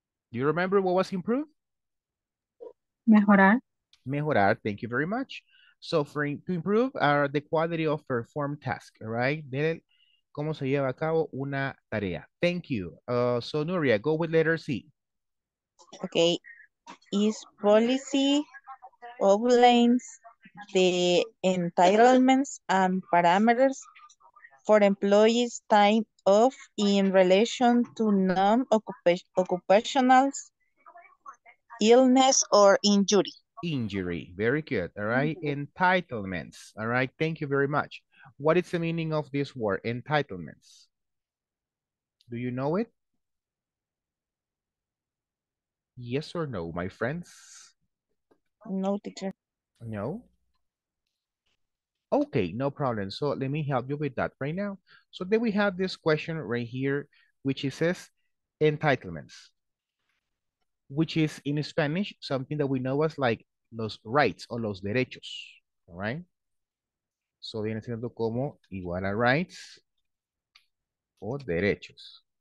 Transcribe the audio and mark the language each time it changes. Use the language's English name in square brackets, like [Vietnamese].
[English] Do you remember what was improve? [Spanish] Mejorar. [English] Mejorar, thank you very much. So, for to improve the quality of performed task, all right? [Spanish] De cómo se lleva a cabo una tarea. [English] Thank you. So, Nuria, go with letter C. Okay. Is policy outlines the entitlements and parameters for employees' time off in relation to non-occupational illness or injury? Injury, very good, all right. Entitlements, all right, thank you very much. What is the meaning of this word, entitlements? Do you know it? Yes or no, my friends? No, teacher. No? Okay, no problem. So let me help you with that right now. So then we have this question right here, which says entitlements, which is in Spanish, something that we know as like [Spanish] los rights o los derechos, [English] all right? [Spanish] So viene siendo como igual a rights o derechos.